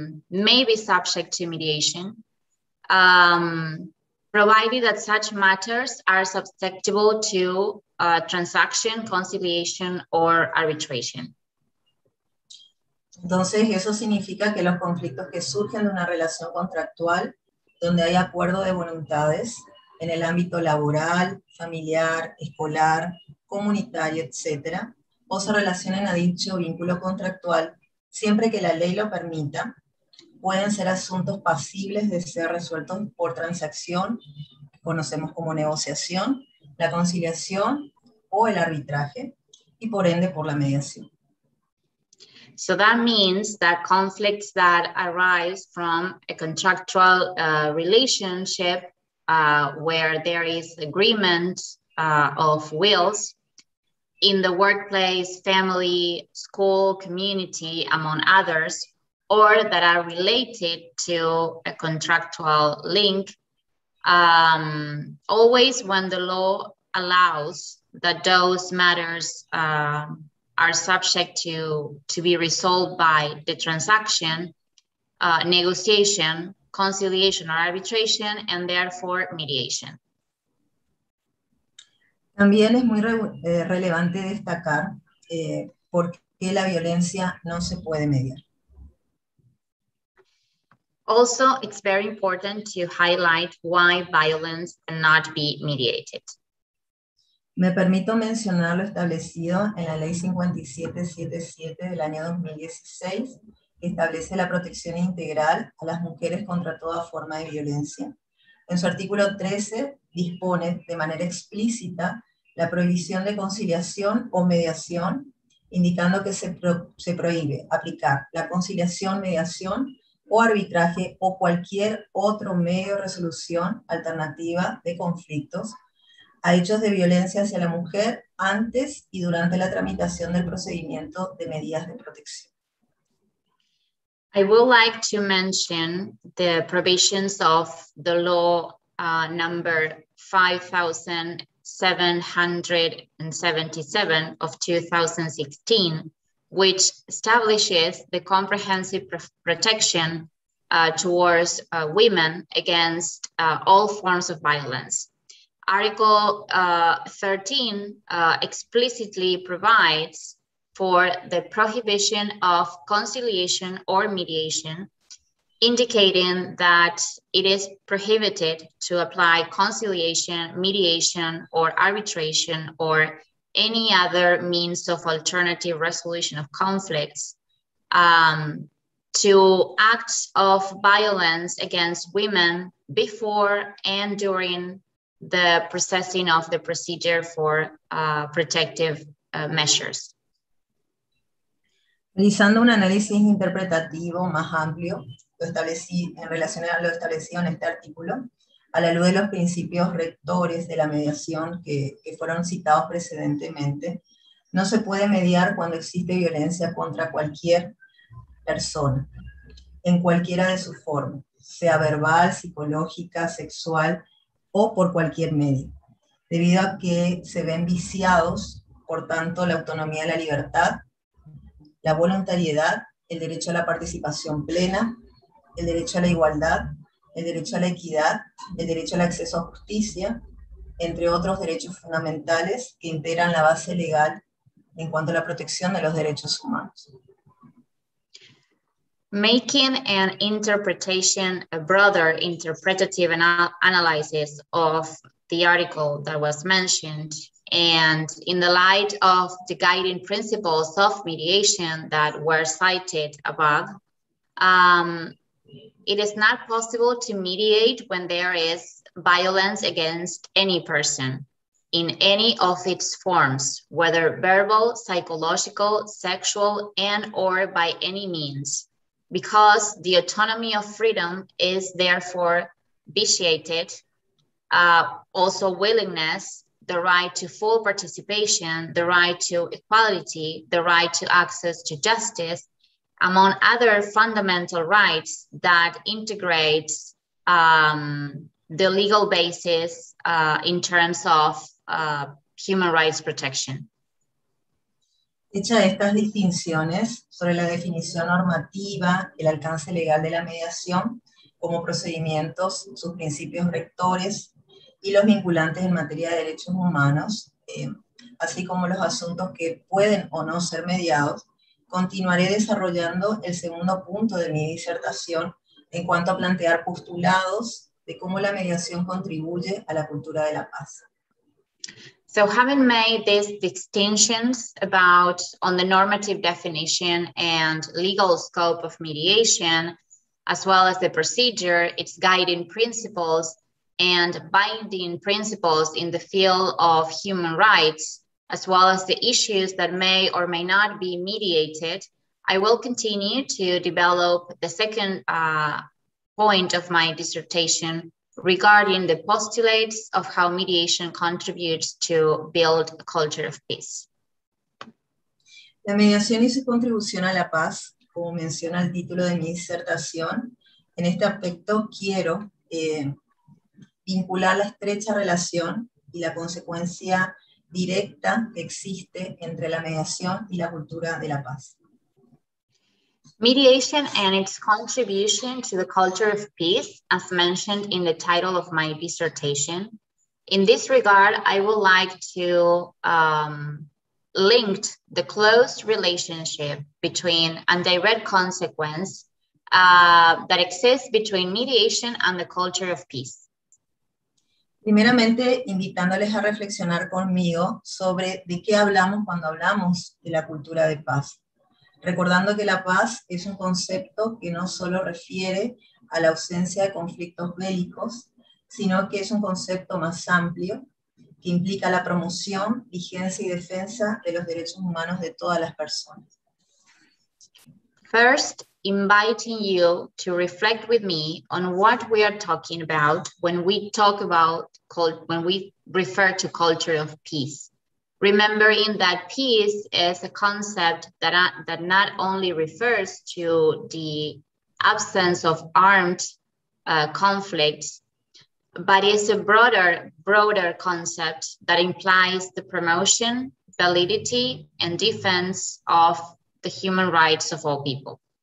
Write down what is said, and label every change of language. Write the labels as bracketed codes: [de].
[en] may be subject to mediation, provided that such matters are susceptible to transaction, conciliation, or arbitration. [es] Entonces, eso significa que los conflictos que surgen de una relación contractual, donde hay acuerdo de voluntades en el ámbito laboral, familiar, escolar, comunitario, etcétera, o se relacionen a dicho vínculo contractual, siempre que la ley lo permita, pueden ser asuntos pasibles de ser resueltos por transacción, que conocemos como negociación, la conciliación o el arbitraje, y por ende por la mediación. [en] So that means that conflicts that arise from a contractual relationship where there is agreement of wills in the workplace, family, school, community, among others, or that are related to a contractual link, always when the law allows that those matters are subject to be resolved by the transaction, negotiation, conciliation or arbitration, and therefore mediation. [es] También es muy relevante destacar por qué la violencia no se puede mediar. [en] Also, it's very important to highlight why violence cannot be mediated. [es] Me permito mencionar lo establecido en la ley 5777 del año 2016, que establece la protección integral a las mujeres contra toda forma de violencia. En su artículo 13 dispone de manera explícita la prohibición de conciliación o mediación, indicando que se prohíbe aplicar la conciliación, mediación o arbitraje o cualquier otro medio de resolución alternativa de conflictos a hechos de violencia hacia la mujer antes y durante la tramitación del procedimiento de medidas de protección. [en] I would like to mention the provisions of the law number 5777 of 2016, which establishes the comprehensive protection towards women against all forms of violence. Article 13 explicitly provides for the prohibition of conciliation or mediation, indicating that it is prohibited to apply conciliation, mediation, or arbitration, or any other means of alternative resolution of conflicts to acts of violence against women before and during the processing of the procedure for protective measures. [es] Realizando un análisis interpretativo más amplio, en relación a lo establecido en este artículo, a la luz de los principios rectores de la mediación que fueron citados precedentemente, no se puede mediar cuando existe violencia contra cualquier persona, en cualquiera de sus formas, sea verbal, psicológica, sexual o por cualquier medio, debido a que se ven viciados, por tanto, la autonomía y la libertad, la voluntariedad, el derecho a la participación plena, el derecho a la igualdad, el derecho a la equidad, el derecho al acceso a justicia, entre otros derechos fundamentales que integran la base legal en cuanto a la protección de los derechos humanos. [en] Making an interpretation, a broader interpretative analysis of the article that was mentioned, and in the light of the guiding principles of mediation that were cited above, it is not possible to mediate when there is violence against any person in any of its forms, whether verbal, psychological, sexual, and or by any means, because the autonomy of freedom is therefore vitiated, also willingness, the right to full participation, the right to equality, the right to access to justice, among other fundamental rights that integrates the legal basis in terms of human rights protection. [es] Hecha estas distinciones sobre la definición normativa, el alcance legal de la mediación como procedimientos, sus principios rectores y los vinculantes en materia de derechos humanos, así como los asuntos que pueden o no ser mediados, continuaré desarrollando el segundo punto de mi disertación en cuanto a plantear postulados de cómo la mediación contribuye a la cultura de la paz. [en] So having made these distinctions about on the normative definition and legal scope of mediation, as well as the procedure, its guiding principles, and binding principles in the field of human rights, as well as the issues that may or may not be mediated, I will continue to develop the second point of my dissertation regarding the postulates of how mediation contributes to build a culture of peace. [es] La mediación y su contribución a la paz, como menciona el título de mi disertación, en este aspecto quiero vincular la estrecha relación y la consecuencia directa que existe entre la mediación y la cultura de la paz. [en] Mediation and its contribution to the culture of peace, as mentioned in the title of my dissertation. In this regard, I would like to link the close relationship between and direct consequence that exists between mediation and the culture of peace. [es] Primeramente, invitándoles a reflexionar conmigo sobre de qué hablamos cuando hablamos de la cultura de paz. Recordando que la paz es un concepto que no solo refiere a la ausencia de conflictos bélicos, sino que es un concepto más amplio que implica la promoción, vigencia y defensa de los derechos humanos de todas las personas. [en] First, inviting you to reflect with me on what we are talking about when we talk about, when we refer to culture of peace. Remembering that peace is a concept that not only refers to the absence of armed conflicts, but is a broader concept that implies the promotion, validity, and defense of the human rights of all people.